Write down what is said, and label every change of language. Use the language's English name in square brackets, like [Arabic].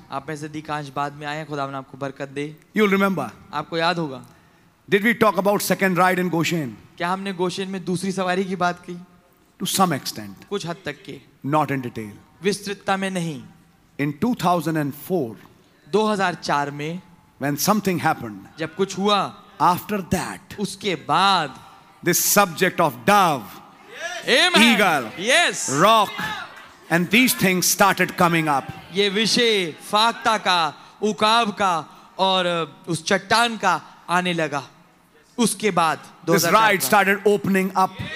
[Hindi] आप में से अधिकांश बाद में आए हैं, खुदा ने आपको बरकत दे। [English] You'll remember. [Hindi] आपको याद होगा। [English] Did we talk about second ride in Goshen? [Hindi] क्या हमने गोशेन में दूसरी सवारी की बात की? [English] To some extent. [Hindi] कुछ हद तक के। [English] Not in detail. [Hindi] विस्तृतता में नहीं। [English] In 2004. [Hindi] 2004 में। [English] When something happened. [Hindi] जब कुछ हुआ। [English] After that. [Hindi] उसके बाद। [English] This subject of dove. Yes. Amen. Eagle. Yes. Rock. And these things started coming up. [Hindi] ये विषय फाकता का, उकाब का और उस चट्टान का आने लगा। उसके बाद [English] this ride started opening up.